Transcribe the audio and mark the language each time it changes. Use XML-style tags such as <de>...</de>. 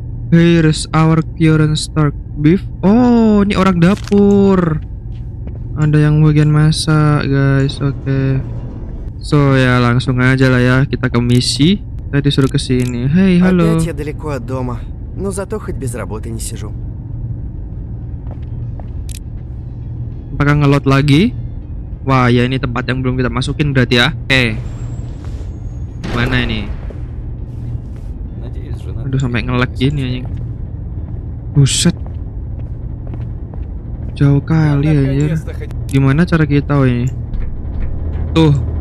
<en>Here's our current stock beef.</en> <id>Oh, ini orang dapur. Ada yang bagian masak, guys. Oke. Okay. So, ya langsung aja lah ya, kita ke misi. Kita disuruh ke sini. Hey, halo.</id> <ru>Опять я далеко от дома, но зато хоть без работы не сижу.</ru> <id>Apakah ngelot lagi? Wah, ya ini tempat yang belum kita masukin berarti ya. Oke. Okay. Mana ini? Aduh, sampai nge-lag gini anjing. Buset. Jauh kali ya. Gimana cara kita oh ini? Tuh.</id>